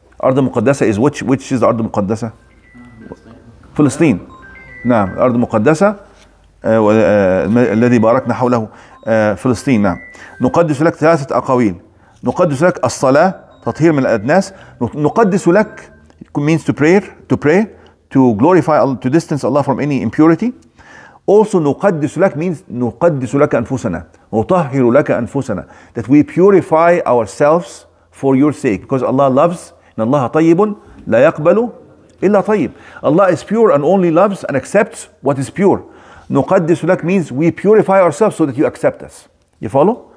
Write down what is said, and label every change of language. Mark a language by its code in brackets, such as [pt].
[ar] أرض المقدسة [en] is which is [ar] الأرض المقدسة؟ فلسطين. نعم الأرض المقدسة الذي باركنا حوله فلسطين. نعم نقدس لك ثلاثة أقاويل. نقدس لك الصلاة تطهير من الأدناس. نقدس لك [en] means to pray to glorify, to distance Allah from any impurity. Also [ar] نقدس لك [en] means [ar] نقدس لك أنفسنا. نطهر لك أنفسنا, [en] that we purify ourselves for your sake, because Allah loves, [ar] إن الله طيب لا يقبل إلا طيب. [en] Allah is pure and only loves and accepts what is pure. [ar] نقدس لك [en] means we purify ourselves so that you accept us. You follow?